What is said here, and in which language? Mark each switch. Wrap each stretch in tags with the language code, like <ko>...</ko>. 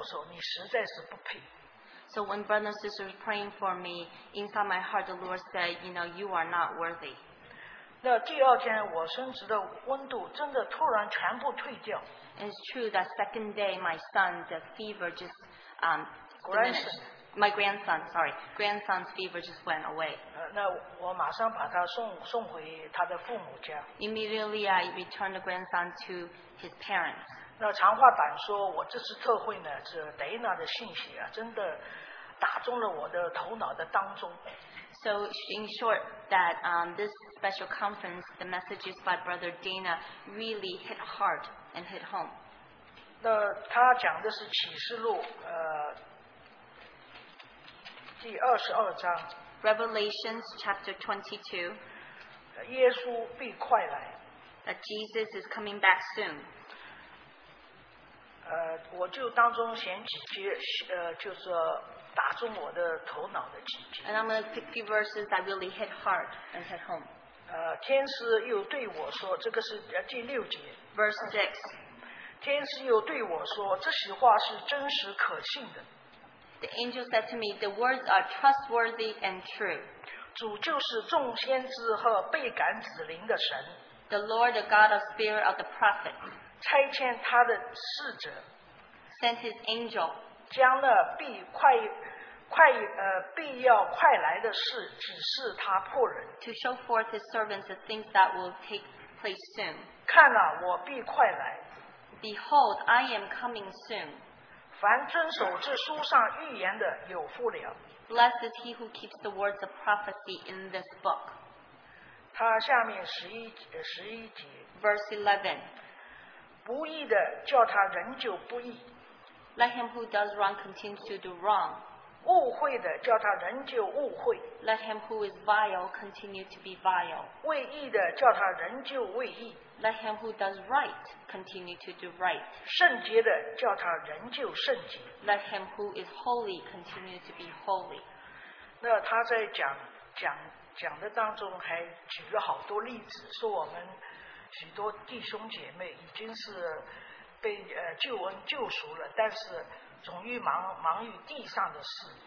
<zh>我真的听到弟兄姐妹们为我祷告，我心里真是一直在主在对我说，你实在是不配。</zh> <en>So when brothers and sisters praying for me, inside my heart, the Lord said, you know, you are not worthy.</en> <zh>那第二天，我孙子的温度真的突然全部退掉。</zh> <en>It's true that second day, my son, the fever just grandson's fever just went away.</en> <zh>那我马上把他送回他的父母家。</zh> <en>Immediately I returned the grandson to his parents.</en> <zh>那长话短说，我这次特会呢，是Dana的信息啊，真的打中了我的头脑的当中。</zh> <en>So in short, that this special conference, the messages by Brother Dana really hit hard and hit home.</en> <zh>那他讲的是启示录第22章。</zh> <en>Revelation chapter 22.</en> <zh>耶稣必快来。</zh> <en>That Jesus is coming back soon.</en> <zh>我就当中选几句，就是打中我的头脑的几句。</zh> <en>And I'm going to pick few verses that really hit hard and hit home.</en> <zh>天使又对我说，这个是第六节。</zh> <en>Verse six.</en> <zh>天使又对我说，这些话是真实可信的。</zh> <en>The angel said to me, the words are trustworthy and true.</en> <zh>主就是众先知和被感子灵的神。</zh> <en>The Lord, the God of spirit of the prophets.</en> <zh>差遣他的使者。</zh> <en>Sent his angel.</en> <zh>将那必快快必要快来的事指示他仆人。</zh> <en>To show forth his servants the things that will take place soon.</en> <zh>看啊，我必快来。</zh> <en>Behold, I am coming soon.</en> <zh>凡遵守这书上预言的有福了。</zh> <en>Blessed is he who keeps the words of prophecy in this book.</en> <zh>他下面十一节。</zh> <en>Verse 11.</en> <zh>不义的叫他仍旧不义。</zh> <en>Let him who does wrong continue to do wrong.</en> <zh>误会的叫他仍旧误会。</zh> <en>Let him who is vile continue to be vile.</en> <zh>为义的叫他仍旧为义。</zh> <en>Let him who does right continue to do right.</en> <zh>圣洁的叫他仍旧圣洁。</zh> <en>Let him who is holy continue to be holy.</en> <zh>那他在讲的当中还举了好多例子，说我们许多弟兄姐妹已经是被救恩救赎了，但是总欲忙于地上的事。</zh>